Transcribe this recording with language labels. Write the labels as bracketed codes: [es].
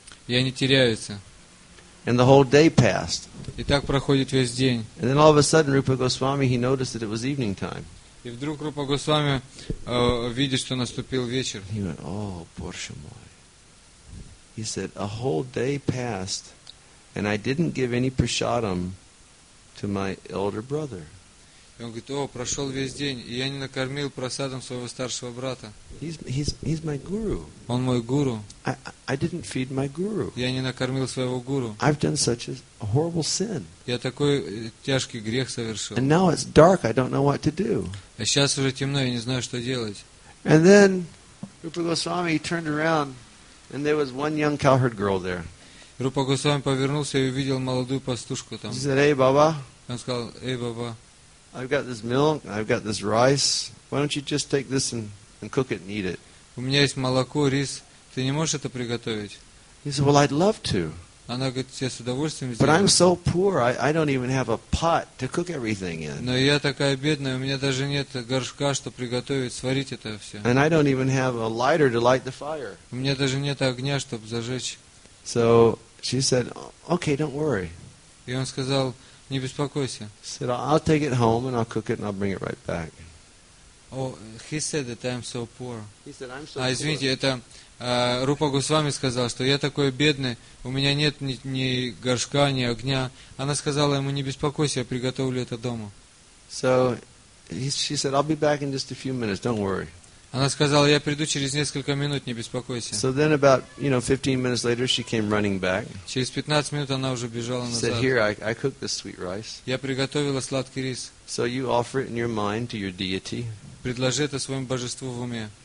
[ru] И они теряются. [en] And the whole day passed. [ru] И так проходит весь день. [en] And then all of a sudden, Rupa Goswami, he noticed that it was evening time. [ru] И вдруг Рупа Госвами видит, что наступил вечер. [en] He went, "Oh, [ru] Боже мой!" [en] He said, "A whole day passed, and I didn't give any prasadam to my elder brother." [ru] И он говорит: "О, прошел весь день, и я не накормил прасадом своего старшего брата." [en] He's my guru. [ru] Он мой гуру. [en] I didn't feed my guru. [ru] Я не накормил своего гуру. [en] I've done such a horrible sin. [ru] Я такой тяжкий грех совершил. [en] And now it's dark. I don't know what to do. [ru] А сейчас уже темно, я не знаю, что делать. [en] And then Rupa Goswami turned around, and there was one young cowherd girl there. [ru] Рупа Госвами повернулся и увидел молодую пастушку там. [en] He said, "Hey, Baba." [ru] Он сказал: "Эй, Баба." [en] I've got this milk, I've got this rice. Why don't you just take this and cook it and eat it? [ru] У меня есть молоко, рис. Ты не можешь это приготовить? [en] He said, "Well, I'd love to." [ru] Она говорит: "Я с удовольствием сделаю." [en] But I'm so poor, I don't even have a pot to cook everything in. [ru] Но я такая бедная, у меня даже нет горшка, чтобы приготовить, сварить это все. [en] And I don't even have a lighter to light the fire. [ru] У меня даже нет огня, чтобы зажечь. [en] So she said, "Okay, don't worry." [ru] И он сказал: "Не беспокойся." [en] Said, "I'll take it home and I'll cook it and I'll bring it right back." Oh, he said that I'm so poor. He said, "I'm so poor." [ru] Извините, это Рупа Госвами сказал, что я такой бедный, у меня нет ни горшка, ни огня. Она сказала ему: "Не беспокойся, я приготовлю это дома." [en] So, she said, "I'll be back in just a few minutes. Don't worry." [ru] Она сказала: "Я приду через несколько минут, не беспокойся." [en] So then about, you know, 15 minutes later she came running back. [ru] Через 15 минут она уже бежала назад. [en] Said, "Here, I cooked this sweet rice." [ru] Я приготовила сладкий рис. [en] So you offer it in your mind to your deity. [ru] Предложи это своему божеству в уме.